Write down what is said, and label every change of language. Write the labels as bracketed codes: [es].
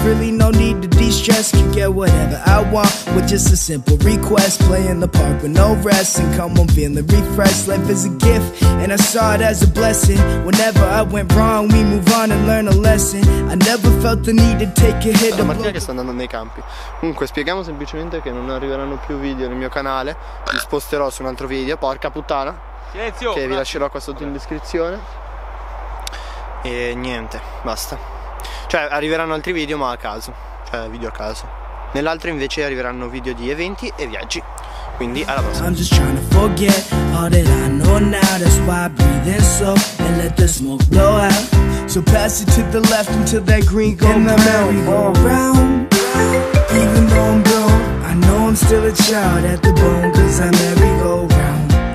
[en] Really no need to de-stress, can get whatever I want with just a simple request. Play in the park with no rest and come home feeling refreshed. Life is a gift and I saw it as a blessing. Whenever I went wrong, we move on and learn a lesson. I never felt the need to take a hit. [it] Martina che sta andando nei campi. Comunque, spieghiamo semplicemente che non arriveranno più video nel mio canale. Li sposterò su un altro video, porca puttana. Silenzio, che vi lascerò qua sotto in descrizione. E niente, basta. Cioè, arriveranno altri video, ma a caso. Cioè, video a caso. Nell'altro invece arriveranno video di eventi e viaggi. Quindi, alla prossima. [en] I'm just trying to forget all that I know now. That's why I breathe in slow and let the smoke blow out. So pass it to the left until that green go in the merry go round. Even though I'm grown, I know I'm still a child at the bone, cause I'm merry go round.